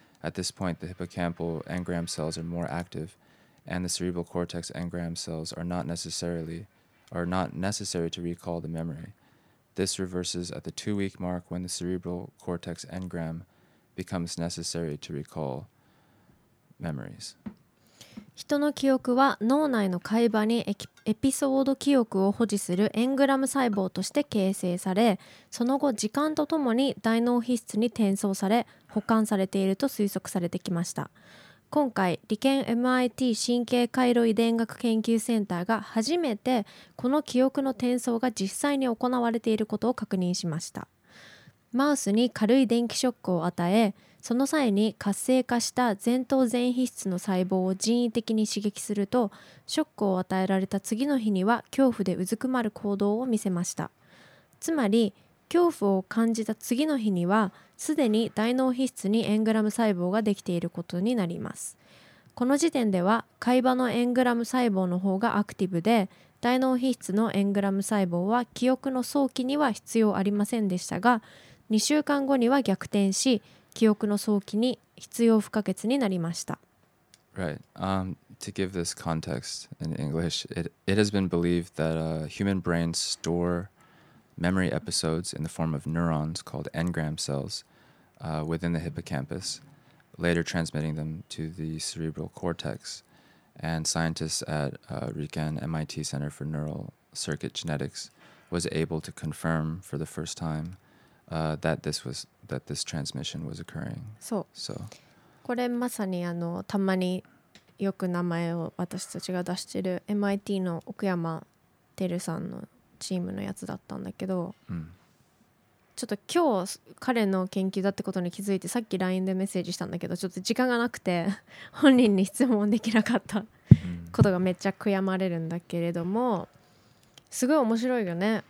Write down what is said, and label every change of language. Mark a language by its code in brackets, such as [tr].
[en] At this point, the hippocampal engram cells are more active, and the cerebral cortex engram cells are not necessary to recall the memory. This reverses at the 2-week mark when the cerebral cortex engram becomes necessary to recall memories. [ja] 人の記憶は脳内の海馬にエピソード記憶を保持するエングラム細胞として形成され、その後時間とともに大脳皮質に転送され保管されていると推測されてきました。今回、理研 MIT 神経回路遺伝学研究センターが初めてこの記憶の転送が実際に行われていることを確認しました。マウスに軽い電気ショックを与え、その際に活性化した前頭前皮質の細胞を人為的に刺激すると、ショックを与えられた次の日には恐怖でうずくまる行動を見せました。つまり、恐怖を感じた次の日には、すでに大脳皮質にエングラム細胞ができていることになります。この時点では、海馬のエングラム細胞の方がアクティブで、大脳皮質のエングラム細胞は記憶の早期には必要ありませんでしたが、2週間後には逆転し、記憶の早期に必要不可欠になりました。 [en] Right. To give this context in English, it has been believed that human brains store memory episodes in the form of neurons called engram cells within the hippocampus, later transmitting them to the cerebral cortex. And scientists at Riken MIT Center for Neural Circuit Genetics was able to confirm for the first time that this transmission was occurring. [ja] そう。 [en] So. [ja] これまさにたまによく名前を私たちが出してる MIT の奥山テルさんのチームのやつだったんだけど、うん、ちょっと今日彼の研究だってことに気づいてさっき LINE でメッセージしたんだけど、ちょっと時間がなくて本人に質問できなかったことがめっちゃ悔やまれるんだけれども、すごい面白いよね。